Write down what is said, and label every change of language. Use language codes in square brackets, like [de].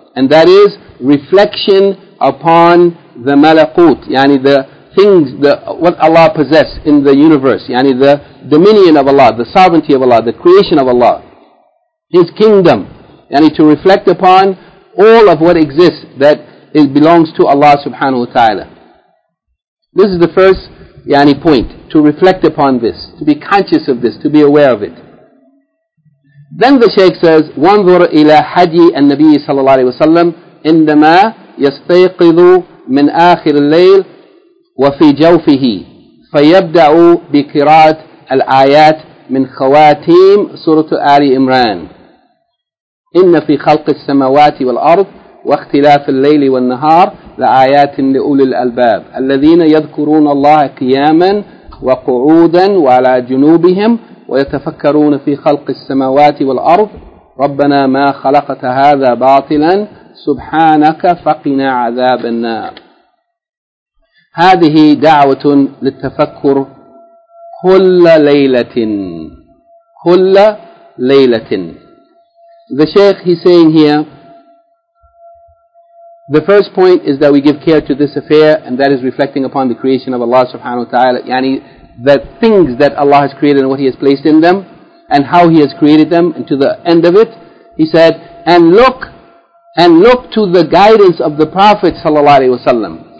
[en] And that is reflection upon the malakut, yani the things, the what Allah possess in the universe, yani the dominion of Allah, the sovereignty of Allah, the creation of Allah, His kingdom. Yani to reflect upon all of what exists that it belongs to Allah subhanahu wa ta'ala. This is the first yani point, to reflect upon this, to be conscious of this, to be aware of it. [ar] Then the Shaykh says, وَانْظُرْ إِلَىٰ حَدْيِ النَّبِيِّ صَلَى اللَّهِ وَسَلَّمْ إِنَّمَا يَسْتَيْقِظُ مِنْ آخِرِ اللَّيْلِ وَفِي جَوْفِهِ فَيَبْدَعُ بِقِرَاءَةِ الْآيَاتِ مِنْ خَوَاتِيمِ سُورَةُ آلِ إِمْرَانِ إِنَّ فِي خَلْقِ السَّمَوَاتِ وَالْأَرْضِ واختلاف الليل والنهار لآيات لأولي الألباب الذين يذكرون الله قياما وقعودا وعلى جنوبهم ويتفكرون في خلق السماوات والأرض ربنا ما خلقت هذا باطلا سبحانك فقنا عذاب النار. هذه دعوة للتفكر كل ليلة كل ليلة. [en] The Shaykh, he's saying here, the first point is that we give care to this affair, and that is reflecting upon the creation of Allah subhanahu wa ta'ala. Yani the things that Allah has created and what He has placed in them, and how He has created them, and to the end of it, he said, and look to the guidance of the Prophet sallallahu alaihi wasallam.